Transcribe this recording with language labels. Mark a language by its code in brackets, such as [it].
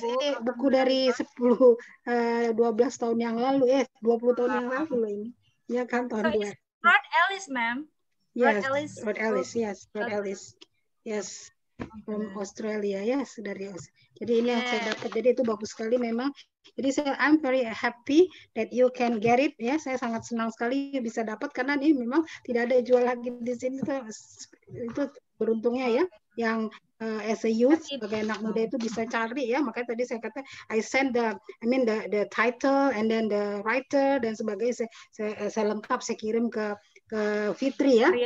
[id] Ini buku dari 10 12 tahun yang lalu, 20 tahun yang lalu loh ini. Ya kan tahun [en] dia. So Rod Ellis, ma'am. Yes, Rod Ellis. Rod Ellis. Yes. From Australia, yes, dari Australia. [id] Jadi ini yang saya dapat. Jadi itu bagus sekali memang. [en] Jadi I'm very happy that you can get it. [id] Ya, saya sangat senang sekali bisa dapat karena ini memang tidak ada jual lagi di sini. Itu beruntungnya ya, yang As a youth, sebagai anak muda itu bisa cari ya. Makanya tadi saya kata, I send the title and then the writer dan sebagainya saya lengkap saya kirim ke Fitri ya.